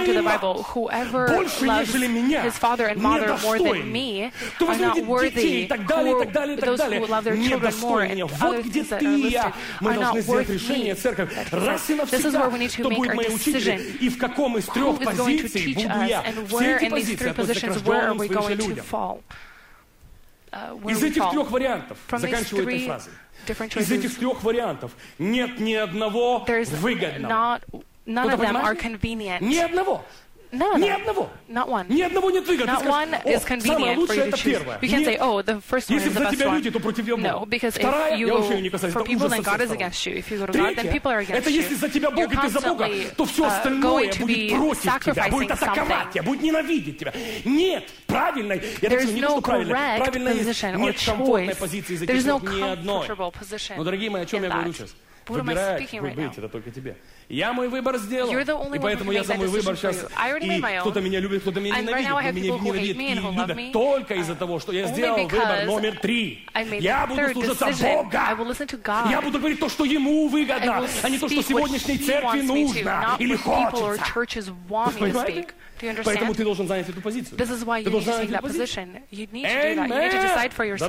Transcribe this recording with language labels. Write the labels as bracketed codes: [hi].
[ru] и мать больше, нежели меня, недостоин. Кто возлюбит детей и так далее, и так далее, и так далее, недостоин меня. Вот где ты и я. Мы должны сделать решение, церковь, раз и навсегда, кто будет моим учителем и в каком из трех позиций буду я. [en] Where in these three positions, where are we going to fall? [ru] Из этих трех вариантов, заканчиваю этой фразой, из этих трех вариантов нет ни одного выгодного. Ни одного. Ни одного. [en] Not one. [ru] Ни одного нет выгодного. [en] Not one is convenient for you to choose. You can say, "Oh, the first one is the best one." No, because if you go for people, then God is against you. If you go to God, then people are against you. [ru] Это если за тебя Бог, и ты за Бога, то все остальное будет против тебя, будет атаковать тебя, будет ненавидеть тебя. Нет правильной. [en] There's no correct position or choice. There's no comfortable position. [ru] Но, дорогие мои, о чем я говорю сейчас? Выбирай, выберите, это только тебе. Я мой выбор сделал, и поэтому я за мой выбор сейчас, и кто-то меня любит, кто-то меня ненавидит, и меня ненавидит, и любит только из-за того, что я сделал выбор номер три. Я буду слушаться Бога. Я буду говорить то, что Ему выгодно, а не то, что сегодняшней церкви нужно или хочется. Вы понимаете? [en] Do you understand? [ru] Поэтому ты должен занять эту позицию. [en] This is why you need to take that position. You need to do that. You need to decide for yourself.